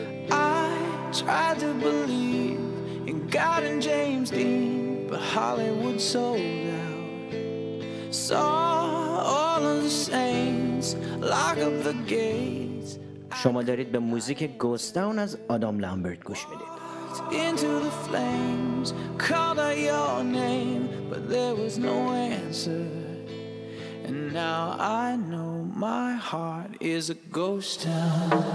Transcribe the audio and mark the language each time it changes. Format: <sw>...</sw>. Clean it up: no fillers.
<en>I tried to believe in God and James Dean, but Hollywood sold out. Saw all of the saints lock up the gates.</en> <fa>شما دارید به موزیک گوست تاون از آدام لامبرت گوش میدید.</fa> <en>Into the flames, called out your name, but there was no answer. And now I know my heart is a ghost town.</en>